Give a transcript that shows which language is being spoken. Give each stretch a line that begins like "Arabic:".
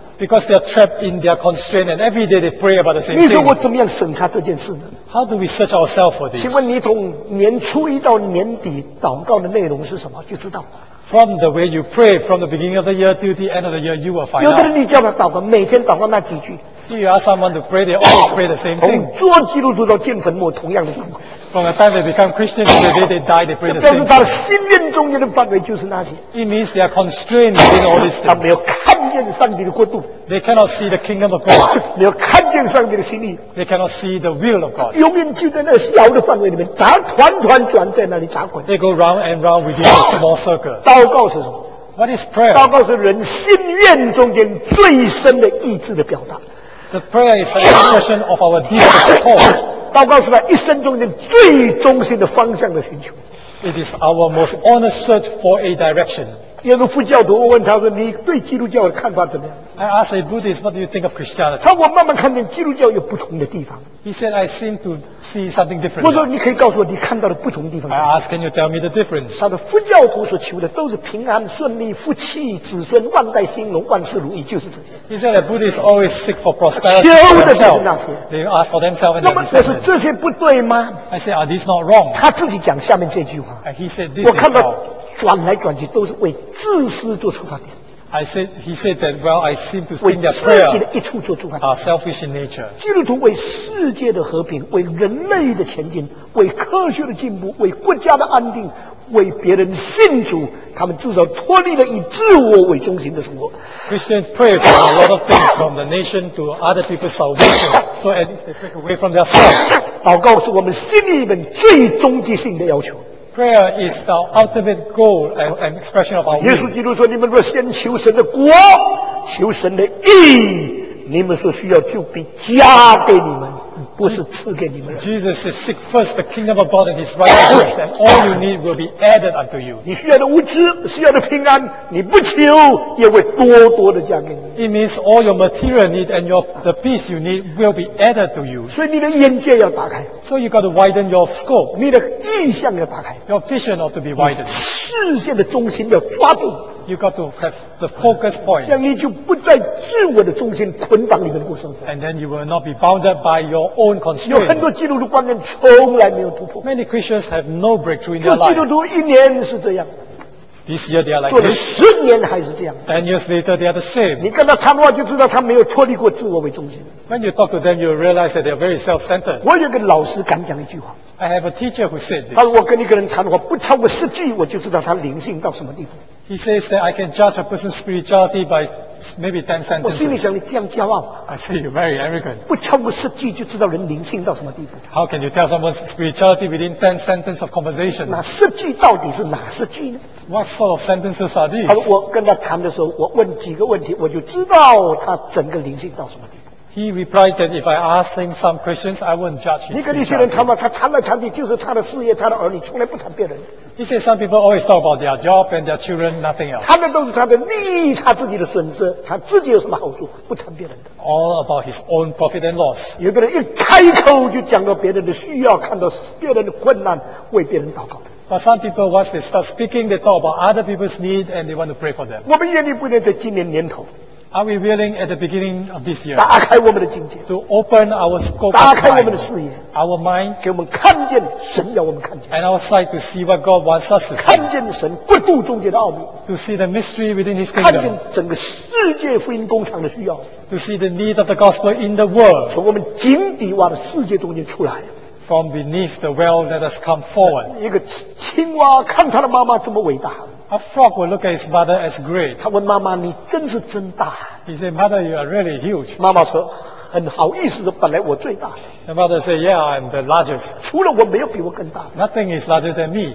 English: Because they are trapped in their constraint, and every day they pray about the same thing.
Chinese: 你说我怎么样审查这件事呢
English: ？How do we search ourselves for this?
Chinese: 请问你从年初一到年底祷告的内容是什么？就知道。
English: from the way you pray from the beginning of the year to the end of the year, you will find out.
Chinese: 有的人你叫他祷告，每天祷告那几句。
English: So you ask someone to pray, they always pray the same thing.
Chinese: 从做基督徒到进坟墓，同样的祷告。
English: From the time they become Christians, the day they die, they pray the same thing.
Chinese: 这表示他的心愿中间的范围就是那些。
English: It means they are constrained within all these things.
Chinese: 他没有看见上帝的国度。
English: They cannot see the kingdom of God.
Chinese: 没有看见上帝的心意。
English: They cannot see the will of God.
Chinese: 永远就在那小的范围里面，他团团转在那里打滚。
English: They go round and round within a small circle.
Chinese: 祷告是什么？
English: What is prayer?
Chinese: 祷告是人心愿中间最深的意志的表达。
English: The prayer is an expression of our deepest thought.
Chinese: 祷告是在一生中间最中心的方向的寻求。
English: It is our most honest search for a direction.
Chinese: 耶稣副教徒问他说：“你对基督教的看法怎么样？”
English: I ask a Buddhist, "What do you think of Christianity?"
Chinese: 他说：“我慢慢看见基督教有不同的地方。”
English: He said, "I seem to see something different."
Chinese: 我说：“你可以告诉我你看到的不同地方。”
English: I ask, "Can you tell me the difference?"
Chinese: 他的副教徒所求的都是平安、顺利、福气、子孙、万代兴隆、万事如意，就是这些。
English: He said that Buddhists always seek for prosperity.
Chinese: 求的是那些。
English: They ask for themselves.
Chinese: 那么，是这些不对吗？
English: I said, "Are these not wrong?"
Chinese: 他自己讲下面这句话。
English: And he said, "This is wrong."
Chinese: 我看到转来转去都是为自私做出发点。
English: I said, he said that, well, I seem to think that prayer are selfish in nature.
Chinese: 基督徒为世界的和平，为人类的前进，为科学的进步，为国家的安定，为别人信主，他们至少脱离了以自我为中心的生活。
English: Christians pray for a lot of things from the nation to other people's salvation, so at least they break away from their self.
Chinese: 祷告是我们心里面最终极性的要求。
English: Prayer is the ultimate goal and expression of our.
Chinese: 耶稣基督说：“你们若先求神的国，求神的义，你们所需要就必加给你们，不是赐给你们。”
English: Jesus says, "Seek first the kingdom of God and His righteousness, and all you need will be added unto you."
Chinese: 你需要的物资，需要的平安，你不求也会多多的加给你。
English: It means all your material need and the peace you need will be added to you.
Chinese: 所以你的眼界要打开。
English: So you got to widen your scope.
Chinese: 你的意向要打开。
English: Your vision ought to be widened.
Chinese: 视线的中心要抓住。
English: You got to have the focus point.
Chinese: 这样你就不在自我的中心捆绑里面过生活。
English: And then you will not be bounded by your own constraint.
Chinese: 有很多基督徒观念从来没有突破。
English: Many Christians have no breakthrough in their life.
Chinese: 做基督徒一年是这样。
English: This year they are like
Chinese: 做了十年还是这样。
English: Ten years later they are the same.
Chinese: 你跟他谈话就知道他没有脱离过自我为中心。
English: When you talk to them, you realize that they are very self-centered.
Chinese: 我有个老师敢讲一句话。
English: I have a teacher who said this.
Chinese: 他说我跟一个人谈话不超过十句，我就知道他灵性到什么地步。
English: He says that I can judge a person's spirituality by maybe 10 sentences.
Chinese: 我心里想你这样骄傲。
English: I say you're very arrogant.
Chinese: 不超过十句就知道人灵性到什么地步。
English: How can you tell someone's spirituality within 10 sentences of conversation?
Chinese: 那十句到底是哪十句呢？
English: What sort of sentences are these?
Chinese: 他说我跟他谈的时候，我问几个问题，我就知道他整个灵性到什么地步。
English: He replied that if I ask him some questions, I wouldn't judge his spirituality.
Chinese: 你跟那些人谈嘛，他谈来谈去就是他的事业、他的儿女，从来不谈别人。
English: He said some people always talk about their job and their children, nothing else.
Chinese: 谈的都是他的利益、他自己的损失，他自己有什么好处，不谈别人的。
English: All about his own profit and loss.
Chinese: 有个人一开口就讲到别人的需要，看到别人的困难，为别人祷告。
English: But some people, once they start speaking, they talk about other people's need and they want to pray for them.
Chinese: 我们愿意不愿意在今年年头？
English: Are we willing at the beginning of this year?
Chinese: 打开我们的境界。
English: To open our scope.
Chinese: 打开我们的视野。
English: Our mind.
Chinese: 给我们看见神要我们看见。
English: And our sight to see what God wants us to see.
Chinese: 看见神国度中间的奥秘。
English: To see the mystery within His kingdom.
Chinese: 看见整个世界福音工厂的需要。
English: To see the need of the gospel in the world.
Chinese: 从我们井底挖的世界中间出来。
English: From beneath the well, let us come forward.
Chinese: 一个青蛙看他的妈妈这么伟大。
English: A frog will look at his mother as great.
Chinese: 他问妈妈：“你真是真大。”
English: He said, "Mother, you are really huge."
Chinese: 妈妈说：“很好意思的，本来我最大。”
English: The mother said, "Yeah, I'm the largest."
Chinese: 除了我，没有比我更大的。 Nothing is larger than me.